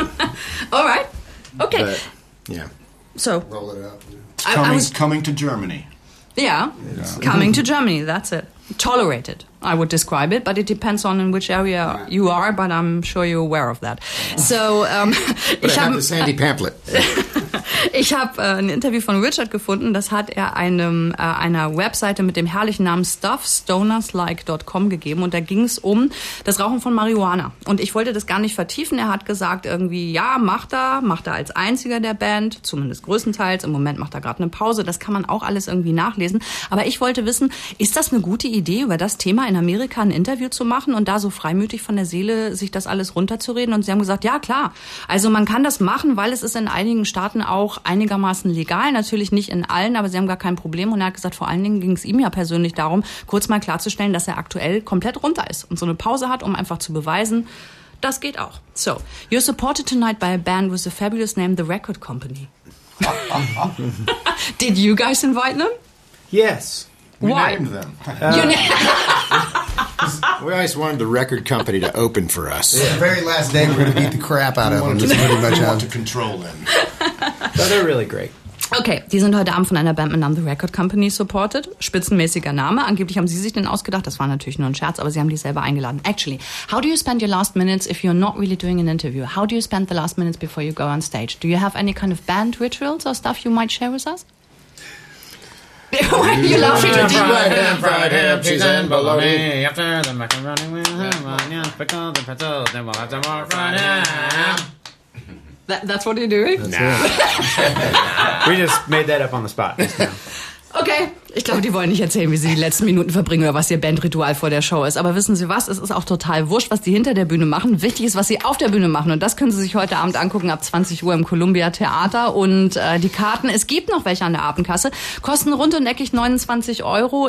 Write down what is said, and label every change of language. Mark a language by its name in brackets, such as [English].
[English] All right. Okay. But Yeah. So roll it up. Coming to Germany. Yeah. Coming to Germany, that's it. Tolerated, I would describe it, but it depends on in which area you are, but I'm sure you're aware of that. So, but I have the Sandy pamphlet. [German] Ich habe ein Interview von Richard gefunden, das hat er einer Webseite mit dem herrlichen Namen stuffstonerslike.com gegeben und da ging es um das Rauchen von Marihuana. Und ich wollte das gar nicht vertiefen, er hat gesagt irgendwie, ja, macht er als einziger der Band, zumindest größtenteils, im Moment macht er gerade eine Pause, das kann man auch alles irgendwie nachlesen. Aber ich wollte wissen, ist das eine gute Idee, über das Thema in Amerika ein Interview zu machen und da so freimütig von der Seele sich das alles runterzureden? Und sie haben gesagt, ja klar, also man kann das machen, weil es ist in einigen Staaten auch einigermaßen legal, natürlich nicht in allen, aber sie haben gar kein Problem. Und er hat gesagt, vor allen Dingen ging es ihm ja persönlich darum, kurz mal klarzustellen, dass er aktuell komplett runter ist und so eine Pause hat, um einfach zu beweisen, das geht auch. [English] So, you're supported tonight by a band with a fabulous name, The Record Company. Did you guys invite them? Yes. We Why? Named them. We always wanted the record company to open for us. Yeah. The very last day, we're going to beat the crap out of them. Pretty much want to control them. But they're really great. [German] Okay, die sind heute Abend von einer Band mit Namen The Record Company supported. Spitzenmäßiger Name. Angeblich haben sie sich den ausgedacht. Das war natürlich nur ein Scherz, aber sie haben die selber eingeladen. [English] Actually, how do you spend your last minutes if you're not really doing an interview? How do you spend the last minutes before you go on stage? Do you have any kind of band rituals or stuff you might share with us? You love me to do fried ham, fried ham, cheese and bologna. After the macaroni, with onions, pickles, and pretzels, then we'll have some more fried ham. That's what you're doing? Nah. We just made that up on the spot. Okay. [German] Ich glaube, die wollen nicht erzählen, wie sie die letzten Minuten verbringen oder was ihr Bandritual vor der Show ist. Aber wissen Sie was? Es ist auch total wurscht, was die hinter der Bühne machen. Wichtig ist, was sie auf der Bühne machen. Und das können Sie sich heute Abend angucken ab 20 Uhr im Columbia Theater. Und die Karten, es gibt noch welche an der Abendkasse, kosten rund und eckig 29 Euro.